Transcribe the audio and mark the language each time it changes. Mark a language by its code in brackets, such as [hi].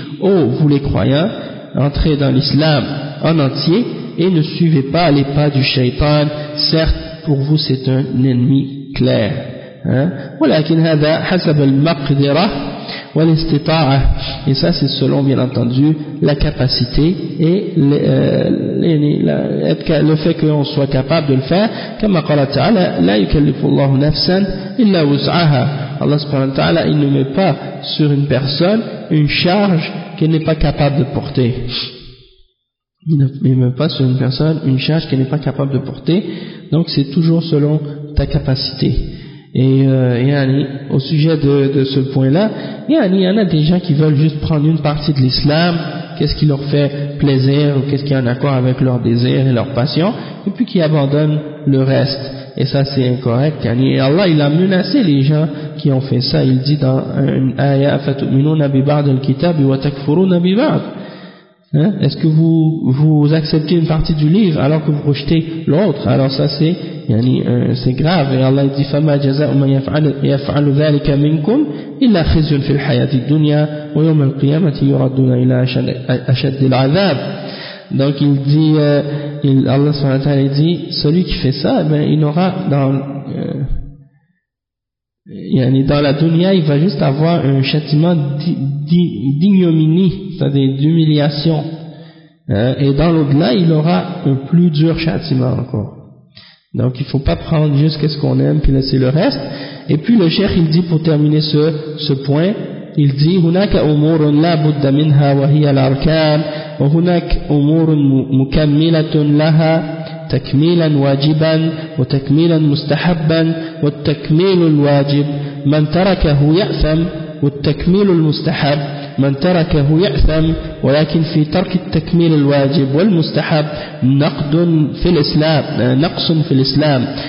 [fr] Ô vous les croyants, entrez dans l'islam en entier et ne suivez pas les pas du shaytan, certes pour vous c'est un ennemi clair. [ar] Walakin hadha hasab al-maqdira wa al-istita'a. [fr] Et ça c'est selon bien entendu la capacité et le fait qu'on soit capable de le faire. Comme [ar] قال تعالى لا يكلف الله نفسا الا وسعها. [fr] Allah subhanahu wa ta'ala il ne met pas sur une personne une charge qu'elle n'est pas capable de porter. Il ne met pas sur une personne une charge qu'elle n'est pas capable de porter. Donc c'est toujours selon ta capacité. Et au sujet de ce point-là, il y en a des gens qui veulent juste prendre une partie de l'islam, qu'est-ce qui leur fait plaisir ou qu'est-ce qui est en accord avec leurs désirs et leurs passions, et puis qui abandonnent le reste. Et ça, c'est incorrect. Et Allah, il a menacé les gens qui ont fait ça. Il dit dans une ayah, [ar] فَتُؤْمِنُونَ بِبَعْدِ الْكِتَابِ وَتَكْفُرُونَ بِبَعْدِ. [fr] Hein? Est-ce que vous acceptez une partie du livre alors que vous rejetez l'autre? Alors ça, c'est grave. Et Allah, il dit, [ar] فَمَا جَزَاءُ مَنْ يَفْعَلُ ذَلِكَ مِنْكُمْ إِلَّا خِزْيٌ فِي الْحَيَاةِ الدُّنْيَا وَيَوْمَ الْقِيَامَةِ يُرَدُّونَ إِلَى أَشَدِّ الْعَذَابِ. [fr] Donc il dit, Allah subhanahu wa ta'ala dit, celui qui fait ça, il aura dans la dunya, il va juste avoir un châtiment d'ignominie, c'est-à-dire d'humiliation. Et dans l'au-delà, il aura un plus dur châtiment encore. Donc il ne faut pas prendre juste ce qu'on aime, puis laisser le reste. Et puis le cheikh, il dit, [ar] pour terminer ce point, il dit, هناك أمور لا بد منها وهي الأركان وهناك أمور مكملة لها تكميلا واجبا وتكميلا مستحبا والتكميل الواجب من تركه يأثم والتكميل المستحب من تركه يأثم ولكن في ترك التكميل الواجب والمستحب نقص في الإسلام